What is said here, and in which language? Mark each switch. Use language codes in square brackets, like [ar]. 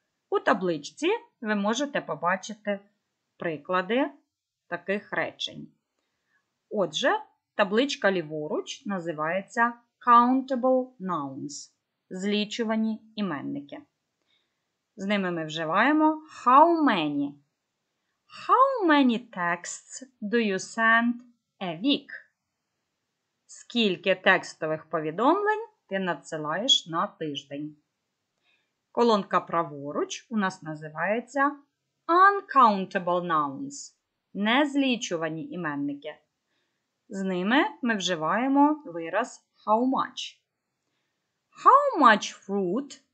[uk] У табличці ви можете побачити приклади таких речень. Отже, табличка ліворуч називається [en] Countable Nouns [uk] – злічувані іменники. З ними ми вживаємо [en] How many? How many texts do you send a week? [uk] Скільки текстових повідомлень ти надсилаєш на тиждень? Колонка праворуч у нас називається [en] Uncountable Nouns [uk] – незлічувані іменники. З ними ми вживаємо вираз [en] how much. How much fruit